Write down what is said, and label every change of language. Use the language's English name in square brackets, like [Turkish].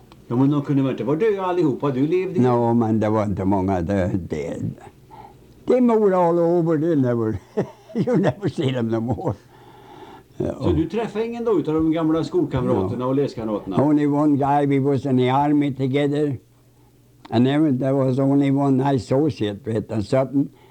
[Swedish] Ja, men de kunde väl inte vara döda allihopa, du levde? No, men det var inte många döda. [English] They moved all over, they never, you never see them no more. No. [Swedish] Så du träffade ingen då utav de gamla skolkamraterna och läskamraterna? [English] Only one guy, we was in the army together. And there was only one associate with a certain.